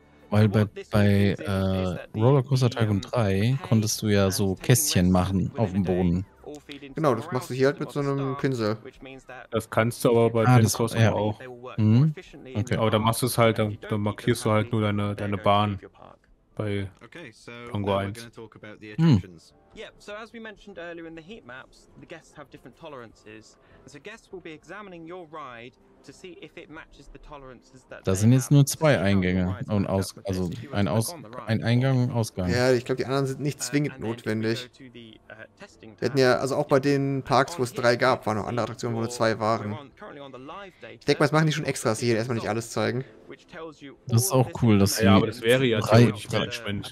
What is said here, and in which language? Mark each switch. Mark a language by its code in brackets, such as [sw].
[de] Weil bei Rollercoaster Tycoon 3 konntest du ja so Kästchen machen auf dem Boden. Genau, das machst du hier halt mit so einem Pinsel. Das kannst du aber bei Rollercoaster auch. Mhm. Okay. Aber da machst du es halt, dann markierst du halt nur deine Bahn bei Pongo 1. Mhm. [en] Yeah, so as we mentioned earlier in the heat maps, the guests have different tolerances. So guests will be examining your ride to see if it matches the tolerances that they have. [de] Da sind jetzt nur zwei Eingänge und also ein Eingang und Ausgang. Ja, ich glaube, die anderen sind nicht zwingend notwendig. Wir hätten ja, also auch bei den Parks, wo es drei gab, waren noch andere Attraktionen, wo nur zwei waren. Ich denke mal, das machen die schon extra, dass sie hier erstmal nicht alles zeigen. Das ist auch cool, dass sie... Ja, aber das wäre ja theoretisch Management.